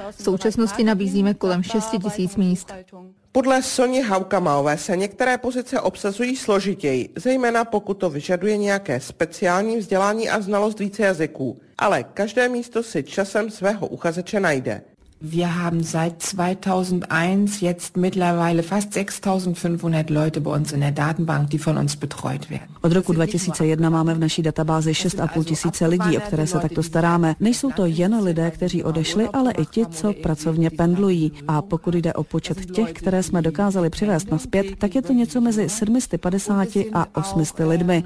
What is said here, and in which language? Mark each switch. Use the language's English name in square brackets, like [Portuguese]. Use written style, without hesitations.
[Czech] V současnosti nabízíme kolem 6000 míst. Podle Soni Haukamalové se některé pozice obsazují složitěji, zejména pokud to vyžaduje nějaké speciální vzdělání a znalost více jazyků. Ale každé místo si časem svého uchazeče najde. [German] Wir haben seit 2001 jetzt mittlerweile fast 6500 Leute bei uns in der Datenbank, die von uns betreut werden. [Czech] Od roku 2001 máme v naší databázi 6500 lidí, o které se takto staráme. Nejsou to jen lidé, kteří odešli, ale i ti, co pracovně pendlují. A pokud jde o počet těch, které jsme dokázali přivést nazpět, tak je to něco mezi 750 a 800 lidmi.